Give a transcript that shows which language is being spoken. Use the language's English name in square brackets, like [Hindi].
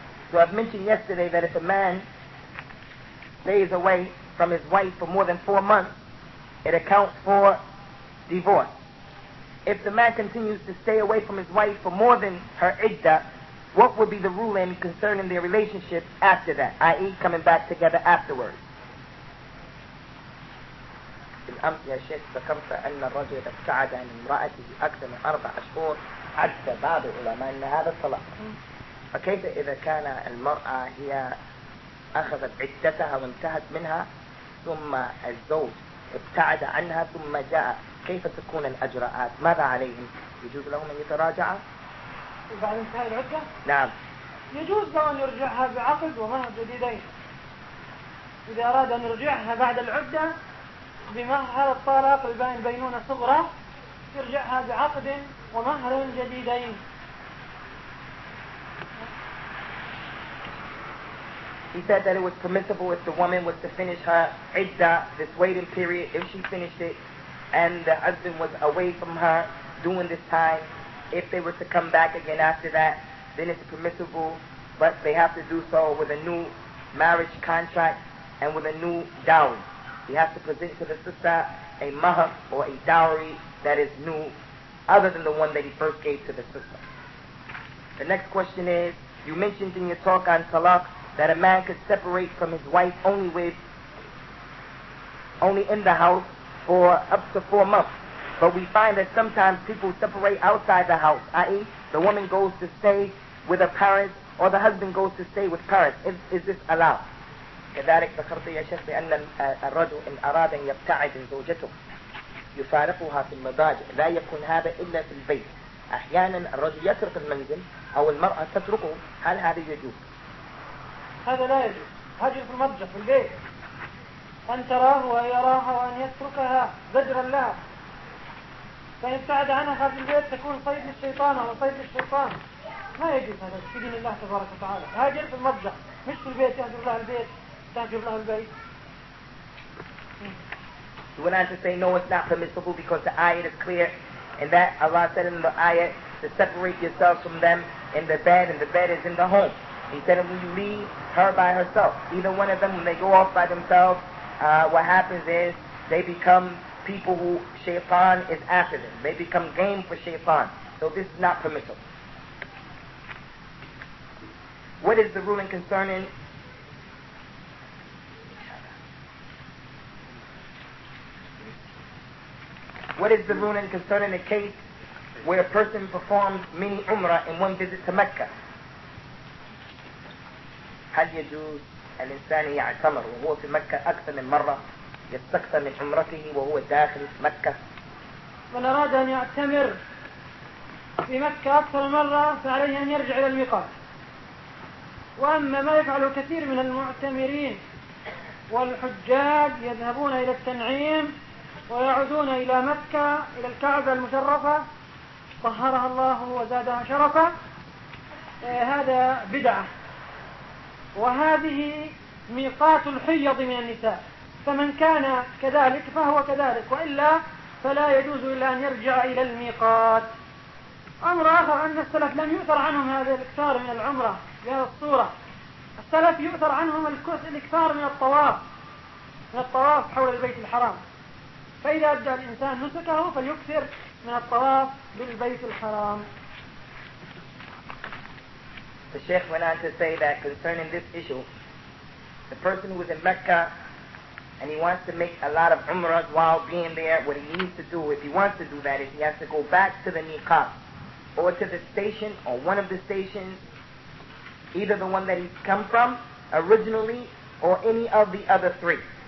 [English] So I've mentioned yesterday that if a man stays away from his wife for more than 4 months, it accounts for divorce. If the man continues to stay away from his wife for more than her iddah, what would be the ruling concerning their relationship after that, i.e. coming back together afterwards? [Arabic] بالأمس يا شيخ ذكرت أن الرجل ابتعد عن امرأته أكثر من 4 أشهر عدت بعض العلماء أن هذا طلاق. فكيف إذا كان المرأة هي أخذت عدتها وانتهت منها ثم الزوج ابتعد عنها ثم جاء، كيف تكون الاجراءات؟ ماذا عليهم؟ يجوز لهم ان يتراجع بعد انتهاء العتة؟ نعم، يجوز له ان يرجعها بعقد ومهر جديدين. اذا اراد ان يرجعها بعد العدة بمهر الطلاق البين بينونة صغرى، يرجعها بعقد ومهر جديدين. [English] He said that it was permissible if the woman was to finish her iddah, this waiting period, if she finished it and the husband was away from her during this time, if they were to come back again after that, then it's permissible, but they have to do so with a new marriage contract and with a new dowry. He has to present to the sister a mahar or a dowry that is new, other than the one that he first gave to the sister. The next question is, you mentioned in your talk on talaq that a man could separate from his wife only in the house for up to 4 months. But we find that sometimes people separate outside the house, i.e. the woman goes to stay with her parents or the husband goes to stay with parents. Is this allowed? [Arabic] كذلك ذكرت يا شيخ بأن الرجل إن أراد أن يبتعد من زوجته يفارقها في المضاجع لا يكون هذا إلا في البيت. أحيانا الرجل يترك المنزل أو المرأة تتركه، هل هذا يجوز؟ هذا لا يجوز. هجر في المضجع في البيت، أن تراه ويراها وأن يتركها زجرا لها، فإن ابتعد عنها في البيت تكون صيد للشيطان أو صيد للشيطان، ما يجوز هذا في دين الله تبارك وتعالى. هاجر في المضجع مش في البيت، يهجر لها البيت تهجر لها البيت. [English] You went on to say, no, it's not permissible because the ayah is clear and that Allah said in the ayah to separate yourself from them in the bed, and the bed is in the home. He said that when you leave her by herself, either one of them, when they go off by themselves, what happens is they become people who shaitan is after them. They become game for shaitan. So this is not permissible. What is the ruling concerning... What is the ruling concerning a case where a person performs mini umrah in one visit to Mecca? [Arabic] هل يجوز الإنسان يعتمر وهو في مكة أكثر من مرة يستكثر من عمرته وهو داخل مكة؟ من أراد أن يعتمر في مكة أكثر من مرة فعليه أن يرجع إلى الميقات. وأما ما يفعله كثير من المعتمرين والحجاج يذهبون إلى التنعيم ويعودون إلى مكة إلى الكعبة المشرفة طهرها الله وزادها شرفا، هذا بدعة، وهذه ميقات الحيض من النساء، فمن كان كذلك فهو كذلك، وإلا فلا يجوز إلا أن يرجع إلى الميقات. أمر آخر، أن السلف لم يؤثر عنهم هذا الإكثار من العمرة بهذه الصورة. السلف يؤثر عنهم الإكثار من الطواف، من الطواف حول البيت الحرام، فإذا أدى الإنسان نسكه فليكثر من الطواف بالبيت الحرام. [English] The Sheikh went on to say that concerning this issue, the person who is in Mecca and he wants to make a lot of umrahs while being there, what he needs to do, if he wants to do that, is he has to go back to the niqab or to the station or one of the stations, either the one that he's come from originally or any of the other three.